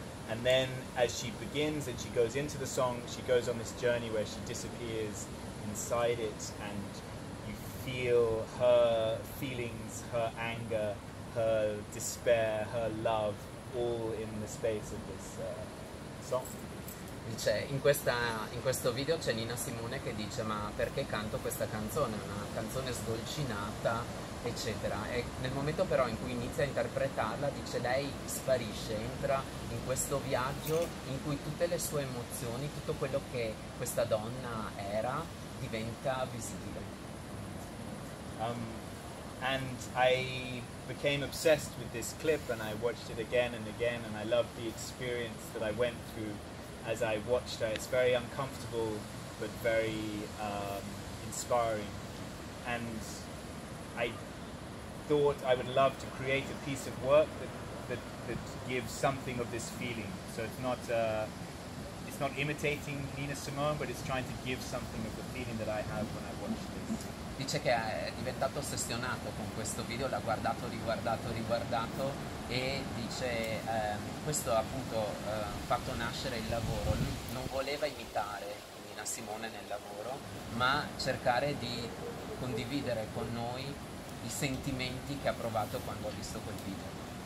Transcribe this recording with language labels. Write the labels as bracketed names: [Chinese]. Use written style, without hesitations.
[English] And then as she begins and she goes into the song, she goes on this journey where she disappears inside it, and you feel her feelings, her anger, her despair, her love, all in the space of this song. [Italian] Dice, in questo video c'è Nina Simone che dice, ma perché canto questa canzone? Una canzone sdolcinata, eccetera. E nel momento però in cui inizia a interpretarla, dice, lei sparisce, entra in questo viaggio in cui tutte le sue emozioni, tutto quello che questa donna era, diventa visibile. [English] And I became obsessed with this clip, and I watched it again and again, and I loved the experience that I went through as I watched her. It's very uncomfortable, but very inspiring. And I thought I would love to create a piece of work that gives something of this feeling. So it's not imitating Nina Simone, but it's trying to give something of the feeling that I have when I watch this. [Italian] Dice che è diventato ossessionato con questo video, l'ha guardato, riguardato, riguardato, e dice, questo appunto ha fatto nascere il lavoro. Lui non voleva imitare Nina Simone nel lavoro, ma cercare di condividere con noi i sentimenti che ha provato quando ha visto quel video.